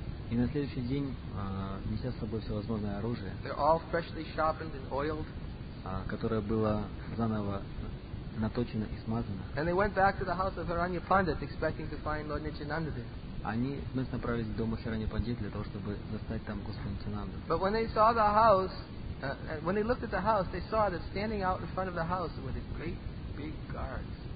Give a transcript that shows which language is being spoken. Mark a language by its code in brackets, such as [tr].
[ru] И на следующий день, неся с собой всевозможное оружие. [en] They're all freshly sharpened and oiled. [ru] Которое было заново наточено и смазано. [en] And they went back to the house of Hiranya Pandit, expecting to find Lord Nityananda there. [ru] Они вновь направились к дому Хирани Пандит для того, чтобы застать там Господа Нитянанду. [en] But when they saw the house, when they looked at the house, they saw that standing out in front of the house were these great big guards.